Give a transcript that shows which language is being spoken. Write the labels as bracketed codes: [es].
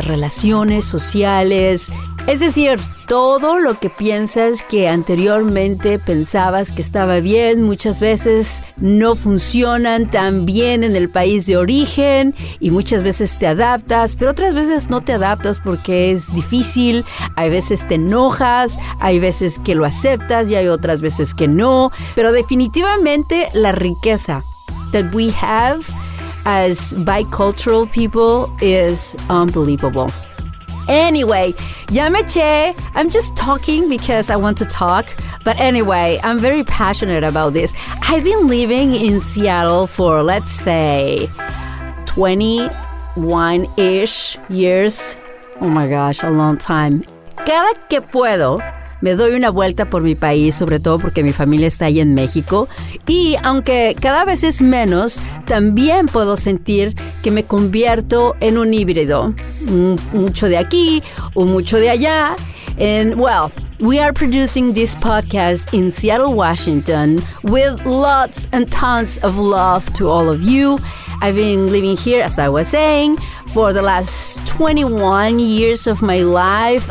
[es] Las relaciones sociales. Es decir, todo lo que piensas que anteriormente pensabas que estaba bien, muchas veces no funcionan tan bien en el país de origen y muchas veces te adaptas, pero otras veces no te adaptas porque es difícil, hay veces te enojas, hay veces que lo aceptas y hay otras veces que no. Pero definitivamente la riqueza [en] that we have as bicultural people is unbelievable. Anyway, [es] ya me eché. [en] I'm just talking because I want to talk. But anyway, I'm very passionate about this. I've been living in Seattle for, let's say, 21-ish years. Oh my gosh, a long time. [es] Cada que puedo, me doy una vuelta por mi país, sobre todo porque mi familia está ahí en México. Y aunque cada vez es menos, también puedo sentir que me convierto en un híbrido. Mucho de aquí, o mucho de allá. [en] And, well, we are producing this podcast in Seattle, Washington, with lots and tons of love to all of you. I've been living here, as I was saying, for the last 21 years of my life.